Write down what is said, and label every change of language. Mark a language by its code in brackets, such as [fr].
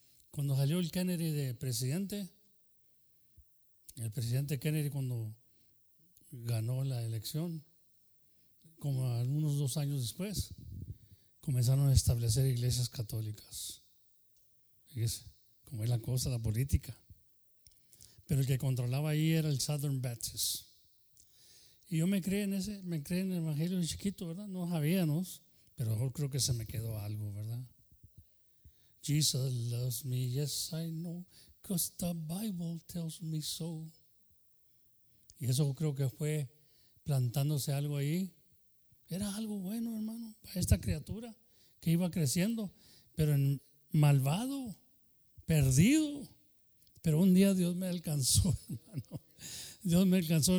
[es] Cuando salió el Kennedy de presidente, el presidente Kennedy, cuando ganó la elección, como algunos 2 años después, comenzaron a establecer iglesias católicas. Fíjese, como es la cosa, la política. Pero el que controlaba ahí era el Southern Baptist. Y yo me creí en el evangelio de chiquito, ¿verdad? No sabíamos, pero mejor creo que se me quedó algo, ¿verdad? [en] Jesus loves me, yes I know, 'cause the Bible tells me so. [es] Y eso creo que fue plantándose algo ahí. Era algo bueno, hermano, para esta criatura que iba creciendo, pero en malvado, perdido. Pero un día Dios me alcanzó, hermano. Dios me alcanzó.